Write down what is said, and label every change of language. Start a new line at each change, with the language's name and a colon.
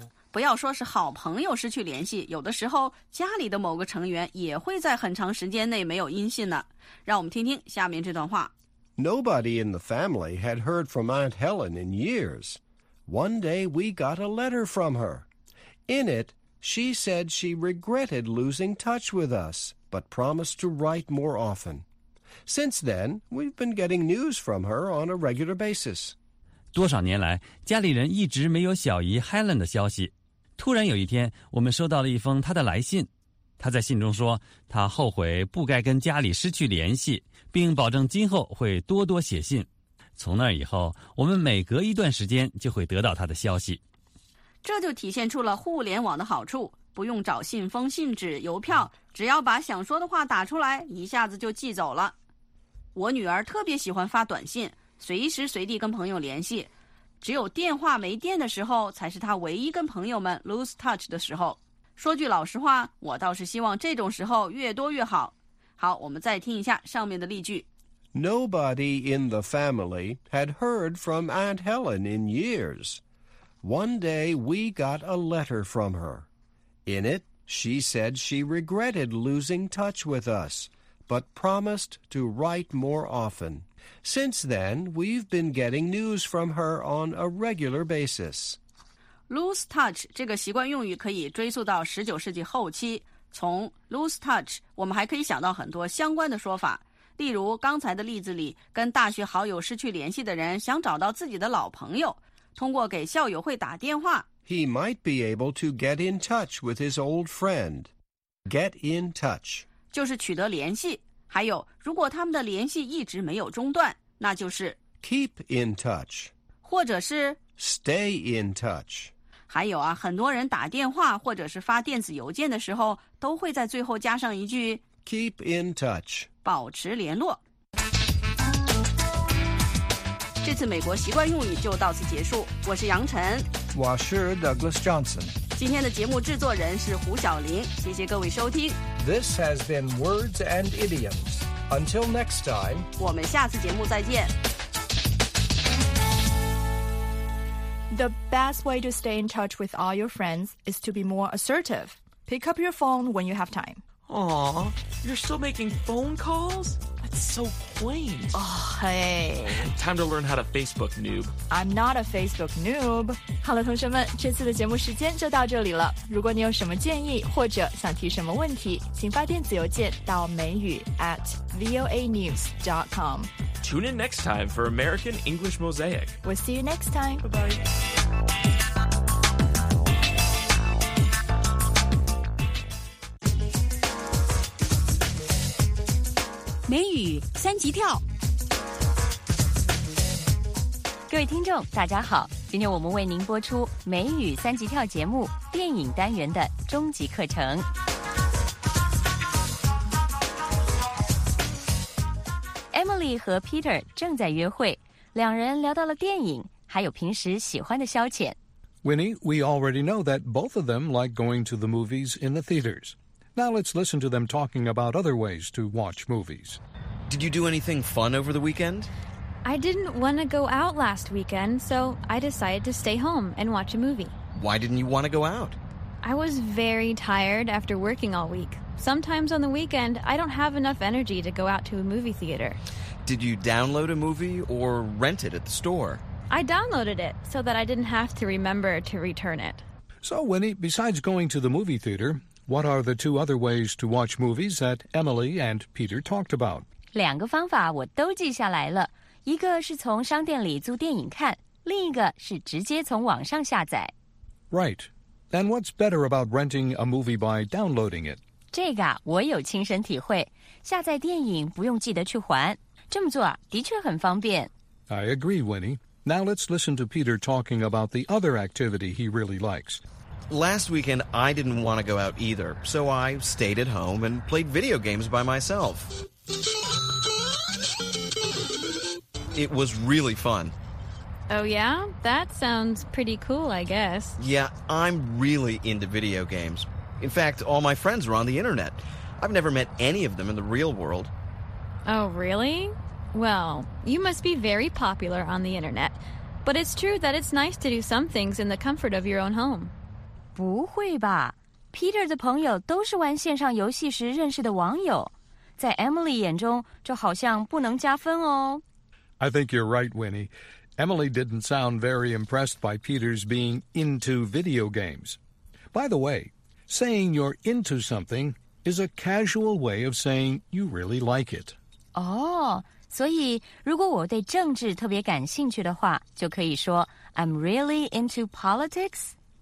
Chinese: 不要说是好朋友失去联系，有的时候家里的某个成员也会在很长时间内没有音信呢。让我们听听下面这段话。
English: Nobody in the family had heard from Aunt Helen in years. One day we got a letter from her. In it, she said she regretted losing touch with us, but promised to write more often. Since then, we've been getting news from her on a regular basis.
Chinese: 多少年来，家里人一直没有小姨 Helen 的消息。突然有一天，我们收到了一封她的来信。她在信中说，她后悔不该跟家里失去联系，并保证今后会多多写信。从那以后，我们每隔一段时间就会得到他的消息。这就体现出了互联网的好处，不用找信封、信纸、邮票，只要把想说的话打出来，一下子就寄走了。我女儿特别喜欢发短信，随时随地跟朋友联系，只有电话没电的时候才是她唯一跟朋友们 lose touch 的时候。说句老实话，我倒是希望这种时候越多越好。好，我们再听一下上面的例句。
English: Nobody in the family had heard from Aunt Helen in years. One day we got a letter from her. In it, she said she regretted losing touch with us, but promised to write more often. Since then, we've been getting news from her on a regular basis.
Chinese: Lose touch 这个习惯用语可以追溯到19世纪后期。从 lose touch, 我们还可以想到很多相关的说法。例如刚才的例子里，跟大学好友失去联系的人想找到自己的老朋友，通过给校友会打电话。
English: He might be able to get in touch with his old friend. Get in touch.
Chinese: 就是取得联系。还有，如果他们的联系一直没有中断，那就是
English: Keep in touch.
Chinese: 或者是
English: Stay in touch.
Chinese: 还有啊，很多人打电话或者是发电子邮件的时候，都会在最后加上一句
English: Keep in touch.
Chinese: 保持联络。这次美国习惯用语就到此结束。我是杨晨。我是 Douglas Johnson。今天的节目制作人是胡晓玲。谢谢各位收听。
English: This has been Words and Idioms. Until next time.
Chinese: 我们下次节目再见。
English: The best way to stay in touch with all your friends is to be more assertive. Pick up your phone when you have time. Aw, you're still making phone calls? That's so quaint. Oh, hey. Time to learn how to Facebook noob. I'm not a Facebook noob.
Chinese: 好了，同学们，这次的节目时间就到这里了。如果你有什么建议或者想提什么问题，请发电子邮件到美语@voanews.com.
English: Tune in next time for American English Mosaic. We'll see you next time. Bye-bye.
Chinese: 三级跳。各位听众大家好，今天我们为您播出美语三级跳节目电影单元的终极课程。 Emily 和 Peter 正在约会，两人聊到了电影，还有平时喜欢的消遣。
English: Winnie, we already know that both of them like going to the movies in the theaters. Now let's listen to them talking about other ways to watch movies. Did you do anything fun over the weekend? I didn't want to go out last weekend, so I decided to stay home and watch a movie. Why didn't you want to go out? I was very tired after working all week. Sometimes on the weekend, I don't have enough energy to go out to a movie theater. Did you download a movie or rent it at the store? I downloaded it so that I didn't have to remember to return it. So, Winnie, besides going to the movie theater, what are the two other ways to watch movies that Emily and Peter talked about?
Chinese: 两个方法我都记下来了。一个是从商店里租电影看，另一个是直接从网上下载。
English: Right. And what's better about renting a movie by downloading it?
Chinese: 这个我有亲身体会。下载电影不用记得去还。这么做的确很方便。
English: I agree, Winnie. Now let's listen to Peter talking about the other activity he really likes. Last weekend, I didn't want to go out either, so I stayed at home and played video games by myself. It was really fun. Oh yeah? That sounds pretty cool, I guess. Yeah, I'm really into video games. In fact, all my friends are on the internet. I've never met any of them in the real world. Oh, really? Well, you must be very popular on the internet. But it's true that it's nice to do some things in the comfort of your own home.
Chinese: 不会吧。 Peter 的朋友都是玩线上游戏时认识的网友。在 Emily 眼中就好像不能加分哦。
English: I think you're right, Winnie. Emily didn't sound very impressed by Peter's being into video games. By the way, saying you're into something is a casual way of saying you really like it.
Chinese: Oh,所以如果我对政治特别感兴趣的话，就可以说
English: I'm really into politics?